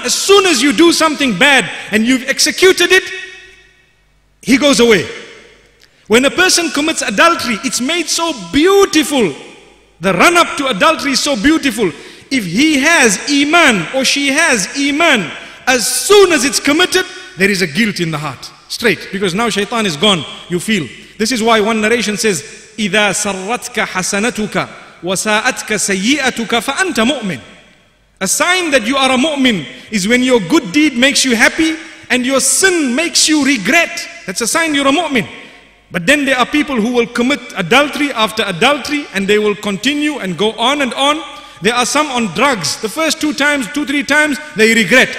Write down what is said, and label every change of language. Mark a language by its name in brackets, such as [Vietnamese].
[English] As soon as you do something bad and you've executed it, he goes away. When a person commits adultery, it's made so beautiful. The run-up to adultery is so beautiful. If he has iman or she has iman, as soon as it's committed, there is a guilt in the heart. Straight. Because now shaitan is gone. You feel. This is why one narration says, [Arabic] إِذَا سَرَّتْكَ حَسَنَتُكَ وَسَاءَتْكَ سَيِّئَتُكَ فَأَنْتَ مُؤْمِنٌ. [English] A sign that you are a mu'min is when your good deed makes you happy and your sin makes you regret. That's a sign you're a mu'min. But then there are people who will commit adultery after adultery and they will continue and go on and on. There are some on drugs. The first two, three times, they regret.